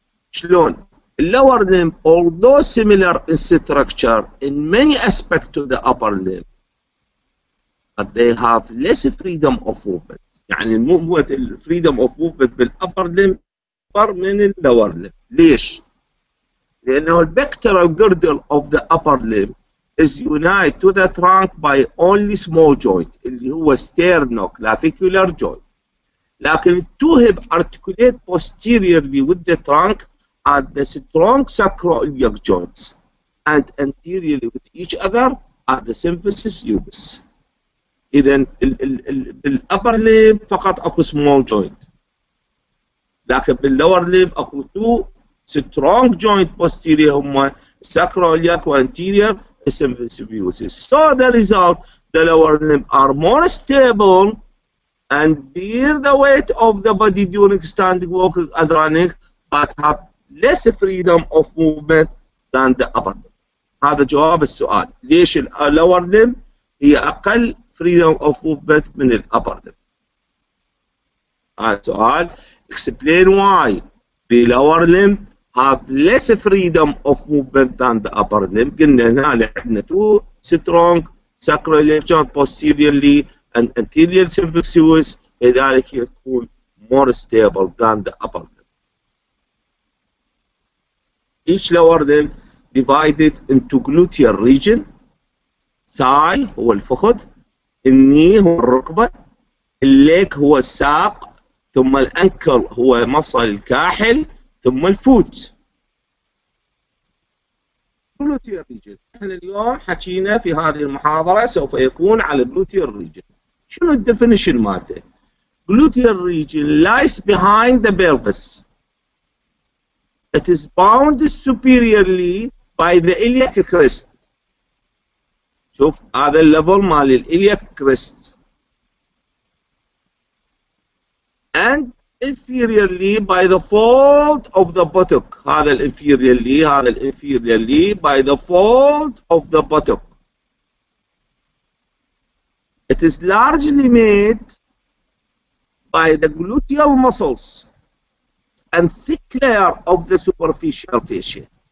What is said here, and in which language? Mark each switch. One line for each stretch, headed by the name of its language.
Arabic: شلون؟ اللور ليم
English: although similar in structure in many aspects to the upper limb but they have less freedom of movement.
Arabic: يعني مو freedom of movement بالأبر ليم أكبر من اللور ليم. ليش؟ لأنه البكتيريال جردل
English: of the upper limb is united to the trunk by only small joint اللي هو sternoclavicular joint. لكن two hip articulate posteriorly with the trunk at the strong sacroiliac joints and anteriorly with each other at the symphysis pubis. اذا بالابر limb فقط اكو small joint, لكن باللور limb اكو two strong joint posterior هما sacroiliac anterior symphysis pubis. So the result the lower limb are more stable and bear the weight of the body during standing, walking and running but have less freedom of movement than the upper limb.
Arabic: هذا جواب السؤال, ليش الـ lower limb هي أقل freedom of movement من الـ upper limb. هذا سؤال.
English: Explain why the lower limb have less freedom of movement than the upper limb.
Arabic: قلنا هنا عندنا
English: two strong sacroiliac joint posteriorly and anterior symphysis,
Arabic: لذلك يكون
English: more stable than the upper limb. Each lower limb divided into gluteal region, thigh
Arabic: هو الفخذ, النيه هو الركبة، الليك هو الساق، ثم الأنكل هو مفصل الكاحل، ثم الفوت. جلوتير ريجن، احنا اليوم حكينا في هذه المحاضرة سوف يكون على جلوتير ريجن. شنو الديفينيشن مالته؟
English: Gluteal region lies behind the pelvis. It is bound superiorly by the iliac crest.
Arabic: شوف هذا الليفل مال الاليك كريست.
English: And inferiorly by the fold of the buttock.
Arabic: هذا الانفيريرلي، هذا الانفيريرلي
English: by the fold of the buttock. It is largely made by the gluteal muscles and thick layer of the superficial fascia.